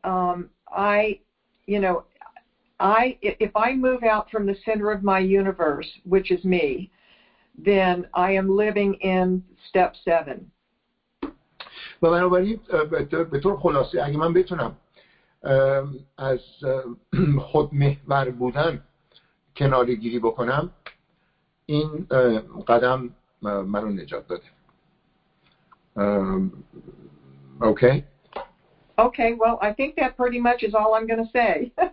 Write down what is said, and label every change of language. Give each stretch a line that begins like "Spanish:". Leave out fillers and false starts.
English: If I move out from the center of my universe, which is me, then I am living in step 7.
Persian: و بنابراین به طور خلاصه اگه من بتونم از خودمحور بودن کنارگیری بکنم، این قدم منو نجات داده.
English: Okay. Okay, well, I think that pretty much is all I'm going to say.